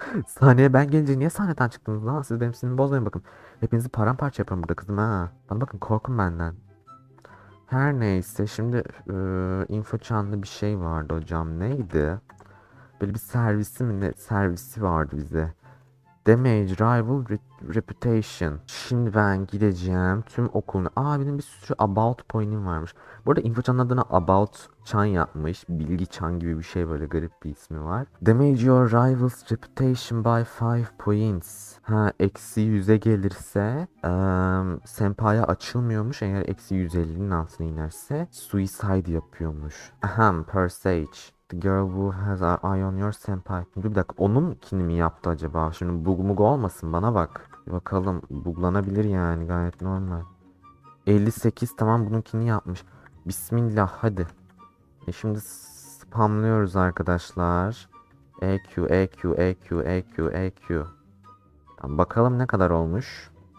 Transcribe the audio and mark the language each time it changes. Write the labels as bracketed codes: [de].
[tr] Sahneye ben gelince niye sahneden çıktınız lan? Siz benim sinirimi bozmayın bakın. Hepinizi paramparça yaparım burada kızım ha. Bana bakın, korkun benden. Her neyse şimdi info çanlı bir şey vardı hocam, neydi? Böyle bir servisi mi ne servisi vardı bize. [en] Damage, rival, reputation. [tr] Şimdi ben gideceğim tüm okulun. Aa, benim bir sürü about point'im varmış. Bu arada info çanın adına about çan yapmış. Bilgi çan gibi bir şey, böyle garip bir ismi var. [en] Damage your rival's reputation by 5 points. [tr] Ha, eksi 100'e gelirse senpaya açılmıyormuş. Eğer eksi 150'nin altına inerse suicide yapıyormuş. Ahem, Persage. [en] The girl who has her eye on your senpai. [tr] Dur bir dakika, onunkini mi yaptı acaba? Şimdi bug mug olmasın, bana bak. Bir bakalım, buglanabilir yani, gayet normal. 58, tamam, bununkini yapmış. Bismillah, hadi. Şimdi spamlıyoruz arkadaşlar. EQ, EQ, EQ, EQ, EQ. Tamam, bakalım ne kadar olmuş.